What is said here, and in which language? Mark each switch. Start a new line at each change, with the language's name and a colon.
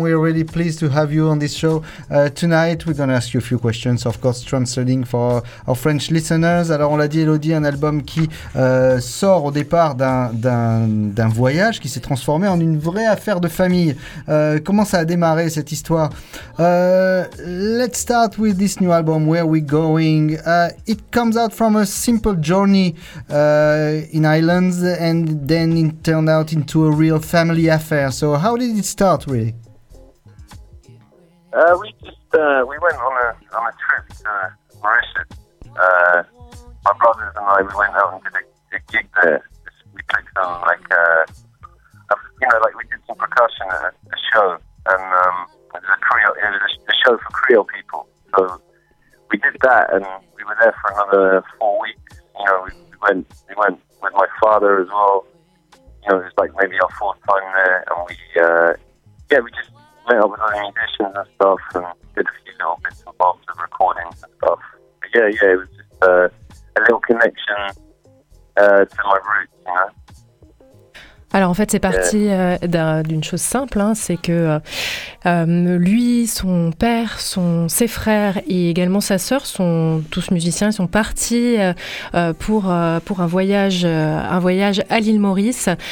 English: We're really pleased to have you on this show tonight. We're going to ask you a few questions, of course, translating for our French listeners.
French: Alors, on l'a dit, Elodie, un album qui sort au départ d'un voyage qui s'est transformé en une vraie affaire de famille. Comment ça a démarré, cette histoire?
English: Let's start with this new album, Where We Going. It comes out from a simple journey in Ireland, and then it turned out into a real family affair. So how did it start, really? We went on a trip to Mauritius. My brothers and I, we went out and did a gig there. We played some, we did some percussion at a show, and it was a show for Creole people. So we did that, and we were there for another 4 weeks. We went with my father as well. It was like maybe our fourth time there, and we just met up with other musicians and stuff, and did a few little bits and bobs of recordings and stuff. But yeah, it was just a little connection to my roots, you know.
French: Alors en fait c'est parti d'une chose simple, hein, c'est que lui, son père, ses frères et également sa sœur sont tous musiciens. Ils sont partis pour un voyage à l'île Maurice.